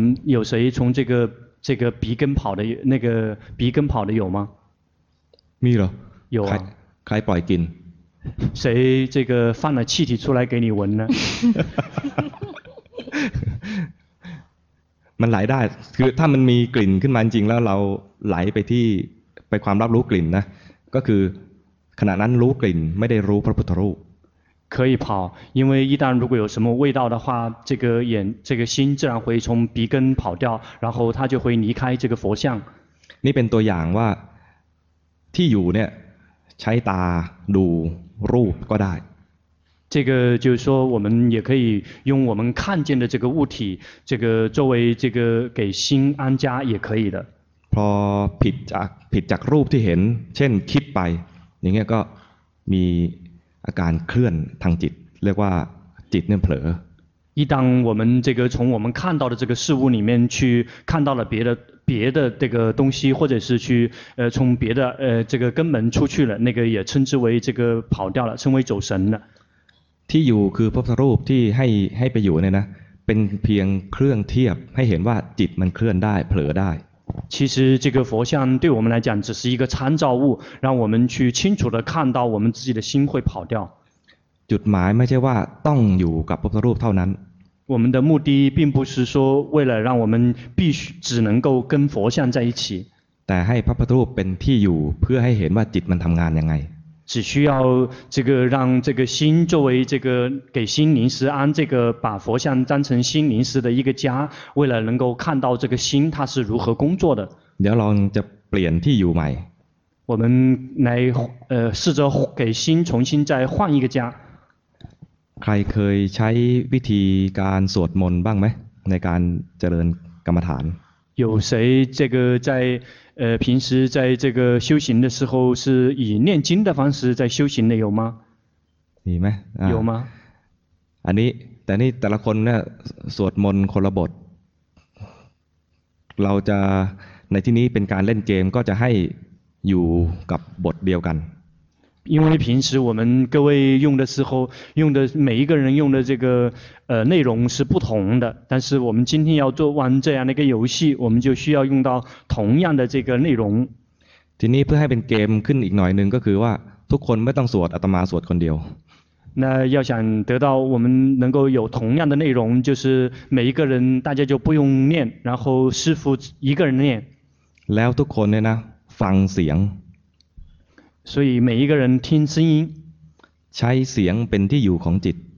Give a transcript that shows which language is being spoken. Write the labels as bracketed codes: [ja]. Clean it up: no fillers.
[zh] 有谁从这个鼻根跑的那个鼻根跑的有吗 [th] มีเหร [zh] อ有啊 [th] ใครปล่อยกิน [zh] 谁这个放了气体出来给你闻呢 [th] มันไหลได้คือถ้ามันมีกลิ่นขึ้นมาจริงแล้วเราไหลไปที่ไปความรับรู้กลิ่นนะก็คือขณะนั้นรู้กลิ่นไม่ได้รู้พระพุทธรูป [zh] 可以跑因为一旦如果有什么味道的话这个眼这个心自然会从鼻根跑掉然后它就会离开这个佛像 [th] นี่เป็นตัวอย่างว่าที่อยู่เนี่ยใช้ตาดูรูปก็ได้ [zh] 这个就是说我们也可以用我们看见的这个物体这个作为这个给心安家也可以的 [th] พอผิดจากรูปที่เห็นเช่นคิดไปอย่างเงี้ยก็มีอาการเคลื่อนทางจิตเรียกว่าจิตเนี่ยเผลอ [zh] 一旦我们这个从我们看到的这个事物里面去看到了别的这个东西或者是去从别的这个根门出去了那个也称之为这个跑掉了称为走神了 [th] ที่อยู่คือพระพุทธรูปที่ให้ไปอยู่เนี่ยนะเป็นเพียงเครื่องเทียบให้เห็นว่าจิตมันเคลื่อนได้เผลอได้ [zh] 其实这个佛像对我们来讲只是一个参照物让我们去清楚的看到我们自己的心会跑掉 [th] จุดหมายไม่ใช่ว่าต้องอยู่กับพระพุทธรูปเท่านั้น [zh] 我们的目的并不是说为了让我们必须只能够跟佛像在一起 [th] แต่ให้พระพุทธรูปเป็นที่อยู่เพื่อให้เห็นว่าจิตมันทำงานยังไง [zh] 只需要这个让这个心作为这个给心临时安这个把佛像当成心临时的一个家为了能够看到这个心它是如何工作的 [th] เดี๋ยวเราจะเปลี่ยนที่อยู่ใหม่ [zh] 我们来试着给心重新再换一个家 [th] ใครเคยใช้วิธีการสวดมนต์บ้างไหมในการเจริญกรรมฐาน [zh] 有谁这个在平时在这个修行的时候是以念经的方式在修行的有吗 [th] มีไหม [zh] 有吗 [th] อันนี้แต่นี่แต่ละคนเนี่ยสวดมนต์คนละบทเราจะในที่นี้เป็นการเล่นเกมก็จะให้อยู่กับบทเดียวกัน [zh] 因为平时我们各位用的时候用的每一个人用的这个内容是不同的但是我们今天要做完这样的一个游戏我们就需要用到同样的这个内容 [th] ทีนี้เพื่อให้เป็นเกมขึ้นอีกหน่อยนึงก็คือว่าทุกคนไม่ต้องสวดอาตมาสวดคนเดียว [zh] 那要想得到我们能够有同样的内容就是每一个人大家就不用念然后师父一个人念 [th] แล้วทุกคนเนี่ยนะฟังเสียง [zh] 所以每一个人听声音 [th] ใช้เสียงเป็นที่อยู่ของจิต